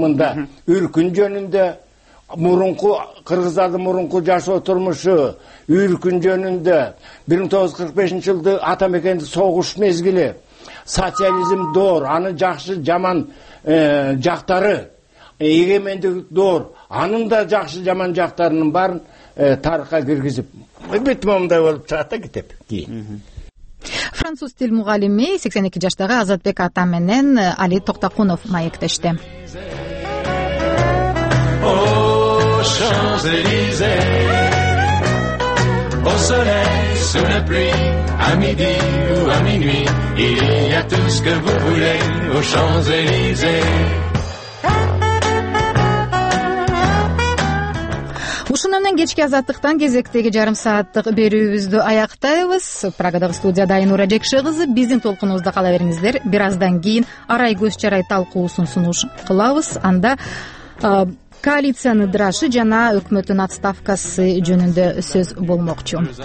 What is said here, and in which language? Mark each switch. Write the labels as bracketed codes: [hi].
[ky] Мында үркүн жөнүндө, мурунку кыргыздардын мурунку жашоо турмушу, үркүн жөнүндө, 1945 жылды ата мекенди согуш мезгили, социализм доор, анын жакшы жаман жактары, эгемендик доор, анын да жакшы жаман жактарынын баарын тарыхка киргизип битмо мындай болуп чыгат да китеп кийин. Француз тил мугалими 82 жаштагы Азатбек ата менен Али Токтокунов маектеште. [fr] Champs-Élysées, au soleil, sous la pluie, à midi ou à minuit, il y a tout ce que vous voulez aux Champs-Élysées. [ky] Ушуну менен кечки Азаттыктан кезектеги жарым сааттык берүүбүздү аяктайбыз. Прагадагы студияда Айнура Жекше кызы биздин толкунубузда кала бериңиздер. Бир аздан кийин Арай көз жарай талкуусун сунуш кылабыз. Анда коалициянын ыдырашы жана өкмөттүн отставкасы жөнүндө сөз болмокчу.